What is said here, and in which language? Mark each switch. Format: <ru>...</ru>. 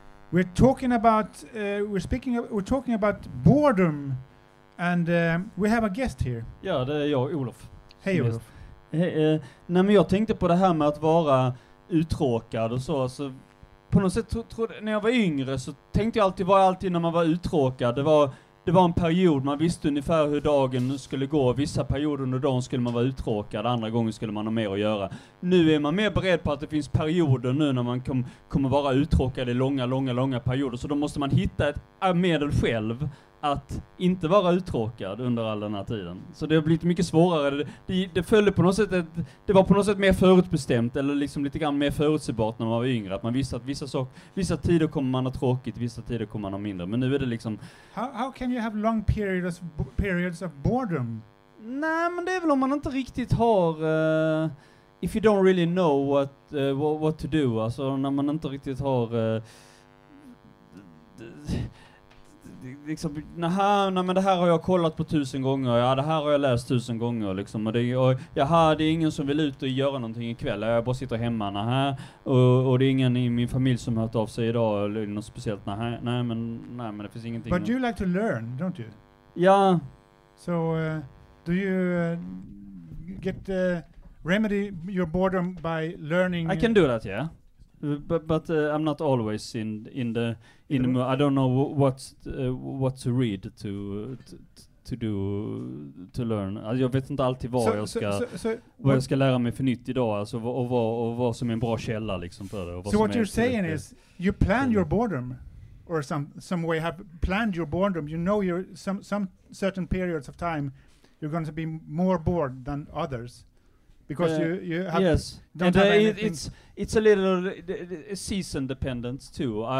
<en>We're talking about we're talking about boredom, and we have a guest here.</en> <sv>Ja, det är jag, Olof. Hej Olof. Nej, men jag tänkte på det här med att vara uttråkad och så. Så på något sätt när jag var yngre så tänkte jag alltid vara alltid när man var uttråkad. Det var en period, man visste ungefär hur dagen skulle gå. Vissa perioder under dagen skulle man vara uttråkad, andra gånger skulle man ha mer att göra. Nu är man mer beredd på att det finns perioder nu när man kommer vara uttråkad i långa, långa, långa perioder. Så då måste man hitta ett medel själv att inte vara uttråkad under all den här tiden. Så det har blivit mycket svårare. Det följde på något sätt, det var på något sätt mer förutbestämt eller liksom lite grann mer förutsägbart när man var yngre. Att man visste att vissa tider kommer man ha tråkigt, vissa tider kommer man ha mindre. Men nu är det liksom...</sv> <en>How can you have long periods of boredom?</en> <sv>Nej, men det är väl om man inte riktigt har...</sv> <en>if you don't really know what to do.</en> <sv>Alltså när man inte riktigt har... liksom, men det här har jag kollat på 1000 gånger, ja det här har jag läst 1000 gånger liksom, det är ingen som vill ut och göra någonting ikväll, jag bara sitter hemma, och det är ingen i min familj som hört av sig idag eller något speciellt, nej men det finns ingenting.</sv> <en>But you like to learn, don't you? Yeah. So do you get remedy your boredom by learning? I can do that, yeah. But I'm not always in the mood. I don't know what to read to learn.</en> <sv>Alltså jag vet inte alltid vad jag ska lära mig för nytt idag. Alltså vad som är en bra källa liksom för det.</sv> <en>So what you're saying is you plan your boredom, or some way have planned your boredom. You know you're some certain periods of time you're going to be more bored than others. Because you have yes, don't and have it's a little season dependent too.</en>